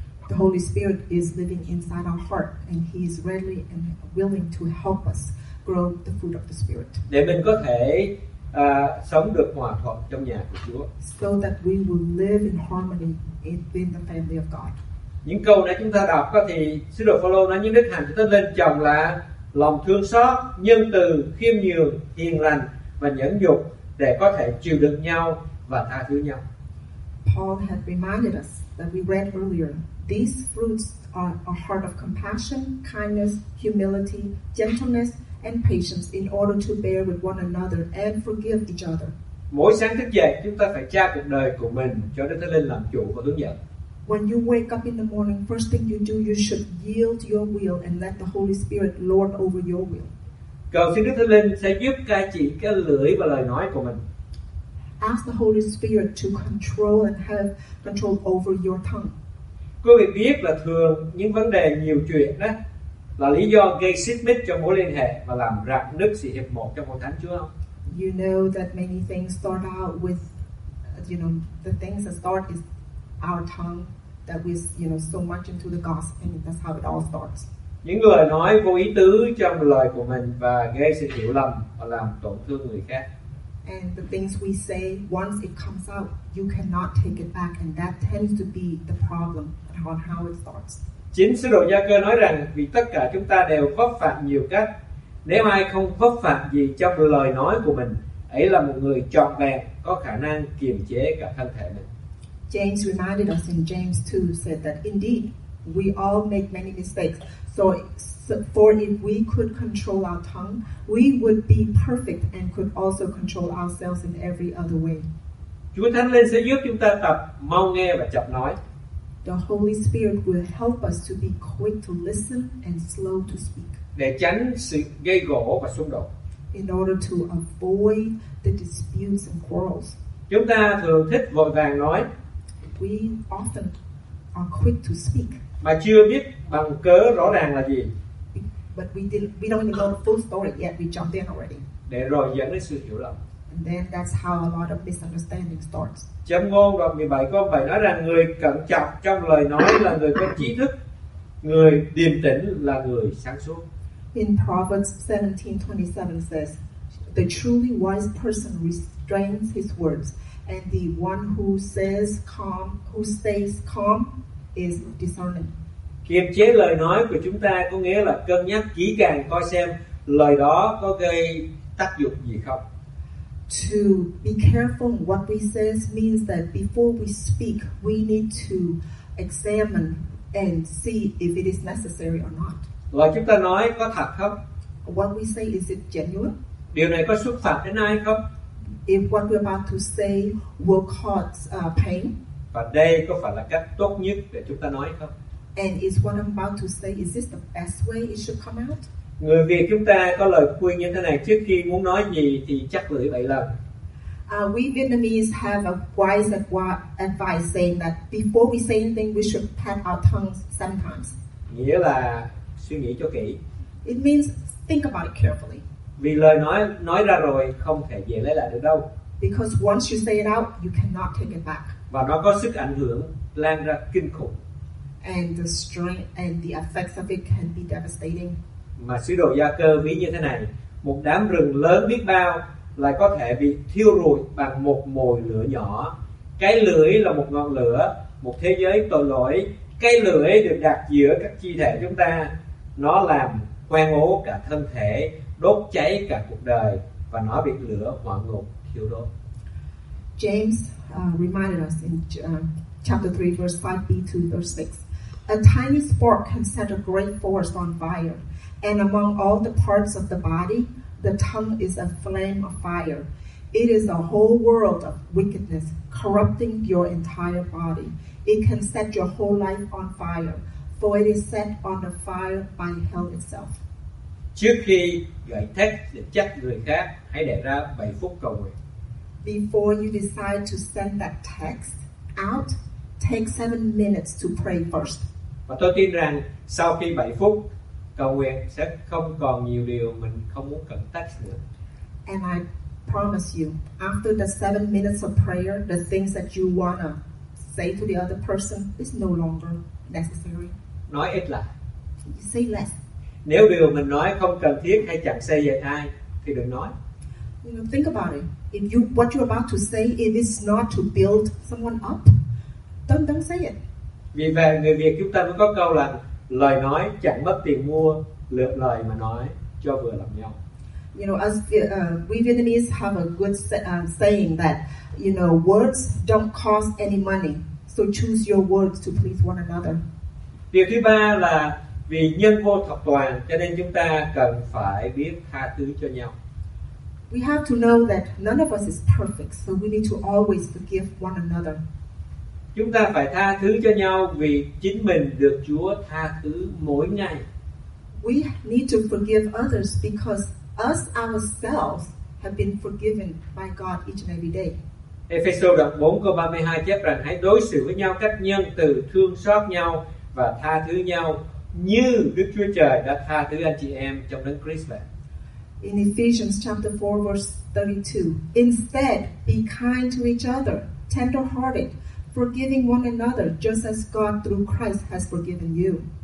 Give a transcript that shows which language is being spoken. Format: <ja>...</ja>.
<en>The Holy Spirit is living inside our heart and He is ready and willing to help us grow the fruit of the Spirit.</en> <vi>Để mình có thể sống được hòa thuận trong nhà của Chúa.</vi> <en>So that we will live in harmony in the family of God.</en> <vi>Những câu này chúng ta đọc có thì sứ đồ Phaolô nói những đức hạnh của Thánh Linh chồng là lòng thương xót, nhân từ, khiêm nhường, hiền lành và nhẫn nhục để có thể chịu đựng nhau và tha thứ nhau.</vi> <en>Paul had reminded us that we read earlier. These fruits are a heart of compassion, kindness, humility, gentleness, and patience in order to bear with one another and forgive each other.</en> <vi>Mỗi sáng thức dậy, chúng ta phải trao cuộc đời của mình cho Đức Thánh Linh làm chủ và hướng dẫn.</vi> <en>When you wake up in the morning, first thing you do, you should yield your will and let the Holy Spirit lord over your will.</en> <vi>Cầu xin Đức Thánh Linh sẽ giúp cai trị cái lưỡi và lời nói của mình.</vi> <en>Ask the Holy Spirit to control and have control over your tongue.</en> <vi>Quý vị biết là thường những vấn đề nhiều chuyện đó là lý do gây xích mích cho mối liên hệ và làm rạn nứt sự hiệp một trong hội thánh Chúa không?</vi> <en>You know that many things start out with, you know, the things that start is our tongue that we, you know, so much into the gospel, and that's how it all starts.</en> <vi>Những lời nói vô ý tứ trong lời của mình và gây sự hiểu lầm và làm tổn thương người khác.</vi> <en>And the things we say, once it comes out, you cannot take it back, and that tends to be the problem on how it starts.</en> <vi>Chính sứ đồ Gia-cơ nói rằng vì tất cả chúng ta đều vấp phạm nhiều cách. Nếu ai không vấp phạm gì trong lời nói của mình, ấy là một người trọn vẹn, có khả năng kiềm chế cả thân thể mình.</vi> <en>James reminded us in James 2 said that indeed we all make many mistakes. So for if we could control our tongue, we would be perfect and could also control ourselves in every other way.</en> <vi>Chúa Thánh Linh sẽ giúp chúng ta tập mau nghe và chậm nói.</vi> <en>The Holy Spirit will help us to be quick to listen and slow to speak.</en> <vi>Để tránh sự gây gổ và xung đột.</vi> <en>In order to avoid the disputes and quarrels.</en> <vi>Chúng ta thường thích vội vàng nói.</vi> <en>We often are quick to speak.</en> <vi>Mà chưa biết bằng cớ rõ ràng là gì.</vi> <en>But we don't even know the full story yet. We jumped in already.</en> <vi>Để rồi dẫn đến sự hiểu lầm.</vi> <en>And then that's how a lot of misunderstanding starts.</en> <vi>Châm ngôn đoạn 17 có 7 nói rằng người cẩn trọng trong lời nói là người có trí thức. Người điềm tĩnh là người sáng suốt.</vi> <en>In Proverbs 17:27 says, The truly wise person restrains his words, and the one who says calm, who stays calm, is discerning.</en> <vi>Kiềm chế lời nói của chúng ta có nghĩa là cân nhắc kỹ càng coi xem lời đó có gây tác dụng gì không.</vi> <en>To be careful what we say means that before we speak, we need to examine and see if it is necessary or not.</en> <vi>Lời chúng ta nói có thật không?</vi> <en>What we say, is it genuine?</en> <vi>Điều này có xúc phạm đến ai không?</vi> <en>If what we're about to say will cause pain?</en> <vi>Và đây có phải là cách tốt nhất để chúng ta nói không?</vi> <en>And is what I'm about to say, is this the best way it should come out?</en> <vi>Người Việt chúng ta có lời khuyên như thế này: trước khi muốn nói gì thì chắc lưỡi 7 lần.</vi> <en>We Vietnamese have a wise advice saying that before we say anything, we should pat our tongues 7 times.</en> <vi>Nghĩa là suy nghĩ cho kỹ.</vi> <en>It means think about it carefully.</en> <vi>Vì lời nói ra rồi không thể về lấy lại được đâu.</vi> <en>Because once you say it out, you cannot take it back.</en> <vi>Và nó có sức ảnh hưởng lan ra kinh khủng.</vi> <en>And the strength and the effects of it can be devastating.</en> <vi>Mà sứ đồ Gia Cơ ví như thế này: một đám rừng lớn biết bao lại có thể bị thiêu rụi bằng một mồi lửa nhỏ. Cái lưỡi là một ngọn lửa, một thế giới tội lỗi. Cái lưỡi được đặt giữa các chi thể chúng ta, nó làm hoang ố cả thân thể, đốt cháy cả cuộc đời, và nó bị lửa hỏa ngục thiêu đốt.</vi> <en>James reminded us in chapter 3 verse 5b to verse 6, a tiny spark can set a great forest on fire, and among all the parts of the body, the tongue is a flame of fire. It is a whole world of wickedness, corrupting your entire body. It can set your whole life on fire, for it is set on the fire by hell itself.</en> <vi>Trước khi gửi thách để trách người khác, hãy để ra 7 phút cầu nguyện.</vi> <en>Before you decide to send that text out, take 7 minutes to pray first.</en> <vi>Và tôi tin rằng sau khi 7 phút cầu nguyện sẽ không còn nhiều điều mình không muốn cần text nữa.</vi> <en>And I promise you, after the 7 minutes of prayer, the things that you wanna say to the other person is no longer necessary.</en> <vi>Nói ít lại.</vi> <en>You say less.</en> <vi>Nếu điều mình nói không cần thiết hay chẳng say về ai thì đừng nói.</vi> <en>You know, think about it. If you what you're about to say, if it's not to build someone up, don't say it.</en> <vi>Vì vậy người Việt chúng ta mới có câu là lời nói chẳng mất tiền mua, lượt lời mà nói cho vừa lòng nhau.</vi> <en>You know, as we Vietnamese have a good saying that, you know, words don't cost any money, so choose your words to please one another.</en> <vi>Điều thứ ba là vì nhân vô thập toàn, cho nên chúng ta cần phải biết tha thứ cho nhau.</vi> <en>We have to know that none of us is perfect, so we need to always forgive one another.</en> <vi>Chúng ta phải tha thứ cho nhau vì chính mình được Chúa tha thứ mỗi ngày.</vi> <en>We need to forgive others because us ourselves have been forgiven by God each and every day.</en> <vi>Ephesians 4 câu 32 chép rằng hãy đối xử với nhau cách nhân từ, thương xót nhau và tha thứ nhau như Đức Chúa Trời đã tha thứ anh chị em trong Đấng Christ vậy.</vi> <en>In Ephesians chapter 4 verse 32, instead be kind to each other, tender-hearted, forgiving one another, just as God through Christ has forgiven you.</en>